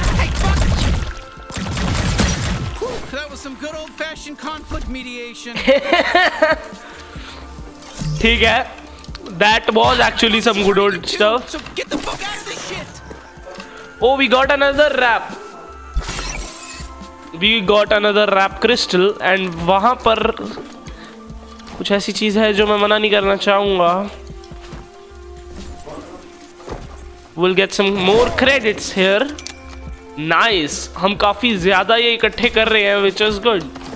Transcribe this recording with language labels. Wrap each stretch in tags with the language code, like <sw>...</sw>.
<en>Hey, fuck you. Whew, that was some good old-fashioned conflict mediation.</en> <hi>ठीक है.</hi> <en>That was actually some good old stuff. So get the fuck out of this shit. Oh, we got another rap. We got another rap crystal,</en> <hi>and वहाँ पर कुछ ऐसी चीज़ है जो मैं मना नहीं करना चाहूँगा.</hi> <en>We'll get some more credits here. Nice.</en> <hi>हम काफी ज़्यादा ये इकट्ठे कर रहे हैं,</hi> <en>which is good.</en>